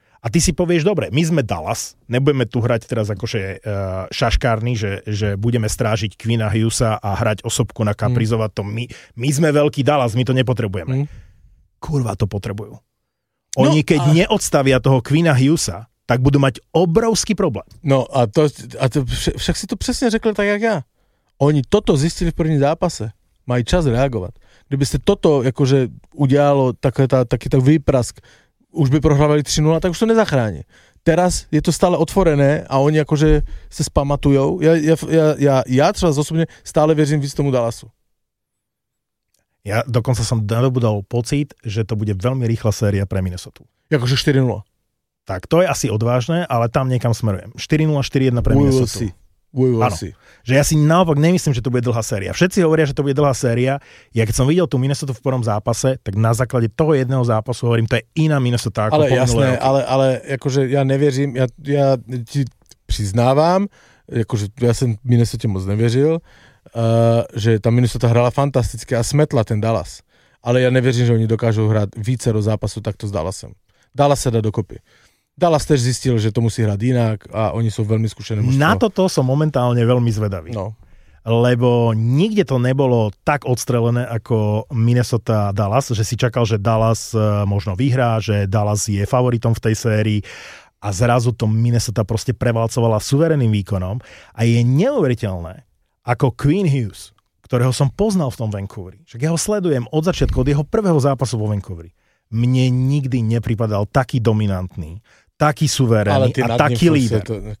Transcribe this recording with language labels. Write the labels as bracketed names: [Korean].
[Slovak] A ty si povieš, dobre, my sme Dallas, nebudeme tu hrať teraz akože šaškárny, že budeme strážiť Quina Hughesa a hrať osobku na Kaprizova. To my sme veľký Dallas, my to nepotrebujeme. Kurva, to potrebujú. Oni, no, keď a neodstavia toho Quina Hughesa, tak budú mať obrovský problém. No a to však si to presne řekl tak, jak ja. Oni toto zistili v prvním zápase. Mají čas reagovať. [Czech] Kdyby ste toto akože udialo, taký tak výprask, už by prohrávali 3-0, tak už to nezachráni. [Slovak] Teraz je to stále otvorené a oni akože se spamatujú. [Czech] Ja třeba osobne stále věřím víc tomu Dallasu. [Slovak] Ja dokonca som nadobudal pocit, že to bude veľmi rýchla séria pre Minnesota. Jakože 4-0. Tak to je asi odvážne, ale tam niekam smerujem. 4-0, 4-1 pre Minnesota. Že ja si naopak nemyslím, že to bude dlhá séria. Všetci hovoria, že to bude dlhá séria. Ja keď som videl tú Minnesota v prvom zápase, tak na základe toho jedného zápasu hovorím, to je iná Minnesota ako pomenulé. Ale jasné, ale akože [Czech] ja nevěřím, ja ti přiznávám, [Slovak] akože ja som Minnesota moc nevěřil, že tá Minnesota hrala fantasticky a smetla ten Dallas. [Czech] Ale ja nevěřím, že oni dokážu hrať vícero zápasu takto s Dallasem. [Slovak] Dallas sa dá dokopy. Dallas tež zistil, že to musí hrať inak a oni sú veľmi skúšené mužstvo. Na toto som momentálne veľmi zvedavý. No. Lebo nikde to nebolo tak odstrelené ako Minnesota Dallas, že si čakal, že Dallas možno vyhrá, že Dallas je favoritom v tej sérii a zrazu to Minnesota proste prevalcovala suverénnym výkonom a je neuveriteľné, ako Quinn Hughes, ktorého som poznal v tom Vancouveri, však ja ho sledujem od začiatku, od jeho prvého zápasu vo Vancouveri, mne nikdy nepripadal taký dominantný, taký suverénny a taký líder.